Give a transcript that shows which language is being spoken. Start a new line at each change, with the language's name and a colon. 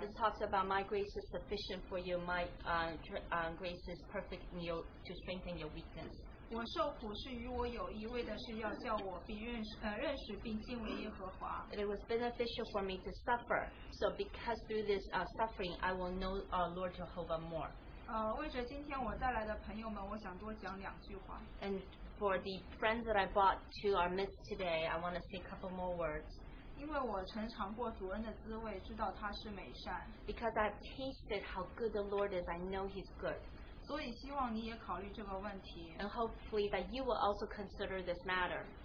English: This talks about my grace is sufficient for you. My grace is perfect in you to strengthen your weakness.
Chinese: 我受苦是与我有益，为的是要叫我认识并敬畏耶和华。
English: It was beneficial for me to suffer, so because through this suffering, I will know our Lord Jehovah more.
Chinese: 为着今天我带来的朋友们，我想多讲两句话。
English: And for the friends that I brought to our midst today, I want to say a couple more words.
Chinese: 因为我曾尝过主恩的滋味，知道他是美善。
English: Because I've tasted how good the Lord is, I know He's good.
Chinese: 所以希望你也考虑这个问题。
English: And hopefully that you will also consider this matter.